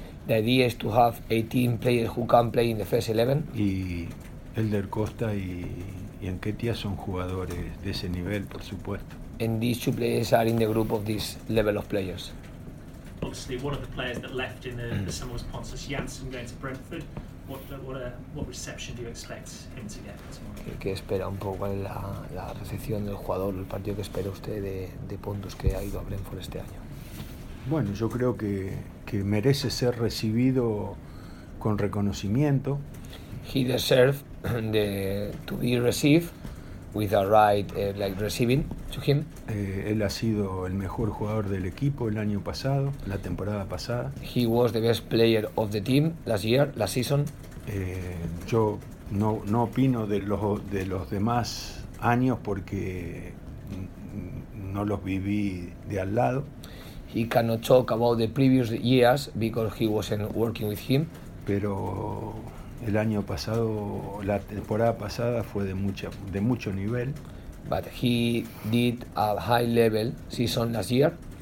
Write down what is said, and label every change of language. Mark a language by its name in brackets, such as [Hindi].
[English] The idea is to have 18 players who can play in the first 11. [Spanish] Y Helder Costa y Nketiah son jugadores de ese nivel, por supuesto. [English] And these two players are in the group of this level of players. Obviously, one of the players that left in the summer was Pontus Janssen going to Brentford. What reception do you expect him to get tomorrow? [Spanish] ¿Qué espera un poco la recepción del jugador, el partido que espera usted de puntos que ha ido a Brentford este año? Bueno, yo creo que merece ser recibido con reconocimiento. [English] He deserves to be received with a right like receiving to him. [Spanish] Él ha sido el mejor jugador del equipo el año pasado, la temporada pasada. [English] He was the best player of the team last year, last season. [Spanish] Yo no opino de los demás años porque no los viví de al lado. [English] He cannot talk about the previous years because he wasn't working with him. [Spanish] Pero el año pasado, la temporada pasada fue de mucho nivel. [English] But he did a high level season last year.